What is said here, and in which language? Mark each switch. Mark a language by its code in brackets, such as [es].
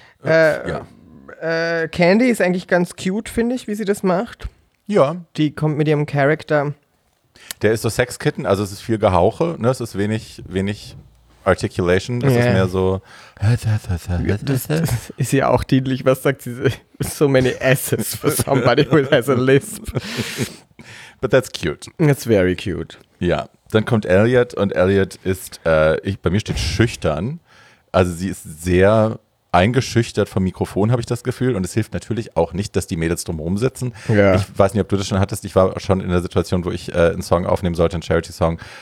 [de] Candy ist eigentlich ganz cute, finde ich, wie sie das macht. Ja. Die kommt mit ihrem Charakter. Der ist so Sexkitten, also es ist viel Gehauche, ne? Es ist wenig Articulation, das ist mehr so. Das ist ja auch dienlich, was sagt sie? [en] So many S's for somebody who has a lisp. But that's cute. That's very cute. [de] Ja, dann kommt Elliot und Elliot ist, bei mir steht schüchtern. also sie ist sehr eingeschüchtert vom Mikrofon, habe ich das Gefühl. Und es hilft natürlich auch nicht, dass die Mädels drumherum sitzen. Ja. Ich weiß nicht, ob du das schon hattest. Ich war schon in der Situation, wo ich einen Song aufnehmen sollte, einen Charity-Song.